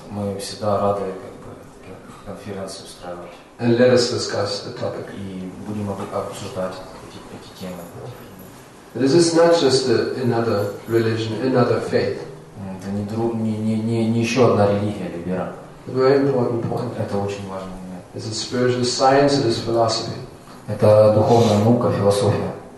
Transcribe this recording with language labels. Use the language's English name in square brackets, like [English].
[Russian] Мы всегда рады конференцию устраивать. [English] And let us discuss the topic. [Russian] И будем обсуждать эти темы. [English] This is not just another religion, another faith. [Russian] Это не еще одна религия или вера. [English] Very important point. [Russian] Это очень важный момент. [English] It's a spiritual science, it is philosophy. [Russian] Это духовная наука, философия.